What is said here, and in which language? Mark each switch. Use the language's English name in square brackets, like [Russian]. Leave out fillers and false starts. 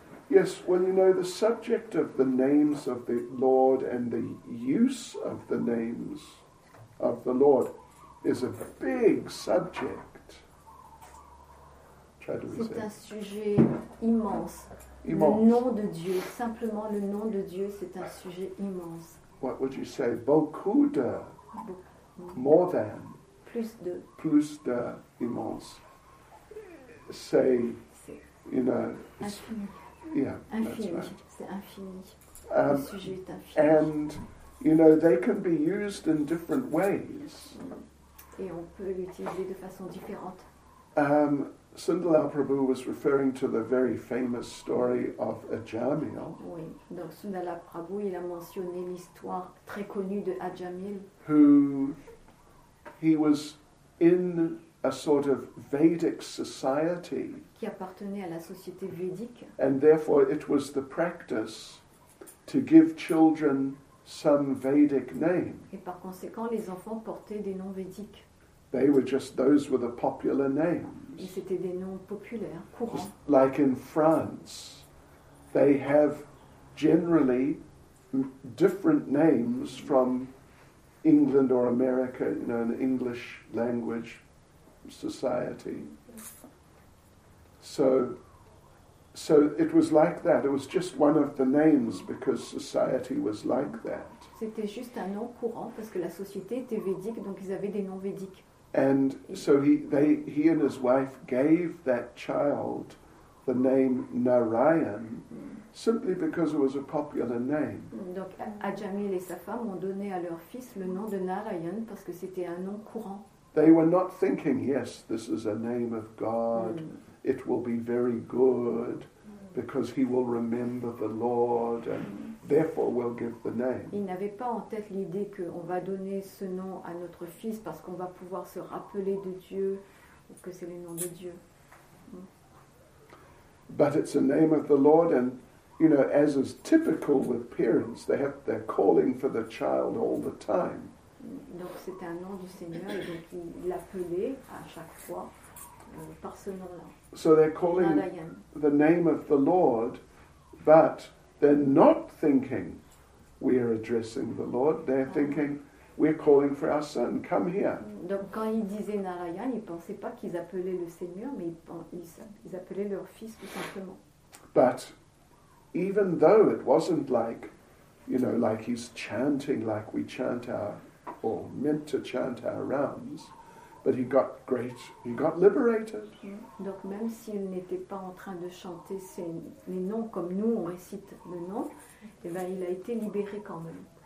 [English] yes, well, you know, the subject of the names of the Lord and the use of the names of the Lord is a big subject. Try to resist. [French] C'est un sujet immense. Le nom de Dieu, simplement le nom de Dieu, c'est un sujet immense. [English] What would you say? [French] Beaucoup de. [English] More than. [French] Plus de [English] immense, say, you know, it's infini. Yeah, [French] infini. C'est infini. Le sujet est infini. [English] And you know, they can be used in different ways. [French] Et on peut l'utiliser de façon différente. [English] Sundarlal Prabhu was referring to the very famous story of Ajamil. [French] Oui, donc Sundarlal Prabhu il a mentionné l'histoire très connue de Ajamil. [English] Who he was in a sort of Vedic society. [French] Qui appartenait à la société védique. [English] And therefore it was the practice to give children some Vedic name. [French] Et par conséquent, les enfants portaient des noms védiques. [English] They were just, those were the popular names. [French] Et c'était des noms populaires, courants. [English] Just like in France, they have generally different names from England or America, you know, an English language society. So it was like that. It was just one of the names because society was like that. [French] C'était juste un nom courant parce que la société était védique, donc ils avaient des noms védiques. [English] And so he and his wife gave that child the name Narayan. Simply because it was a popular name. [French] Donc Ajamil et sa femme ont donné à leur fils le nom de Narayan parce que c'était un nom courant. [English] They were not thinking, yes, this is a name of God. It will be very good because he will remember the Lord and therefore we'll give the name. [French] Ils n'avaient pas en tête l'idée qu'on va donner ce nom à notre fils parce qu'on va pouvoir se rappeler de Dieu que c'est le nom de Dieu. [English] But it's the name of the Lord, and you know, as is typical with parents, they have they're calling for the child all the time. [French] Donc c'est un nom du Seigneur, et donc il l'appelait à chaque fois par ce nom-là. [English] So they're calling the name of the Lord, but they're not thinking we are addressing the Lord. They're thinking we're calling for our son. Come here. [French] Donc quand ils disaient Narayan, ils pensaient pas qu'ils appelaient le Seigneur, mais ils appelaient leur fils tout simplement. [English] But even though it wasn't like, you know, like he's chanting like we chant our or meant to chant our rounds, but he got great. He got liberated. [French] Donc même s'il n'était pas en train de chanter les noms comme nous on récite le nom, eh ben il a été libéré quand même.